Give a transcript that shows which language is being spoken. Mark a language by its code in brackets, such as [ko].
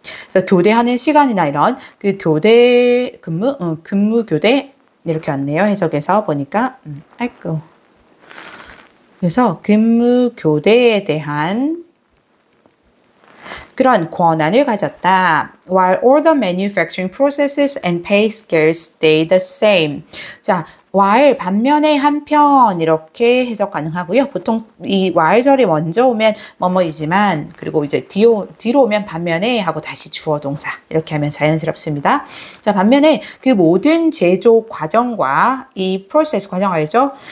[ko] 그래서 교대하는 시간이나 이런 그 교대 근무, 근무 교대 이렇게 왔네요. 해석에서 보니까 아이고. 그래서 근무 교대에 대한 그런 권한을 가졌다. [en] While all the manufacturing processes and pay scales stay the same. [ko] 자, while 반면에 한편 이렇게 해석 가능하고요. 보통 이 while 절이 먼저 오면 뭐뭐이지만 그리고 이제 뒤로 오면 반면에 하고 다시 주어 동사 이렇게 하면 자연스럽습니다. 자, 반면에 그 모든 제조 과정과 이 프로세스 과정 알죠?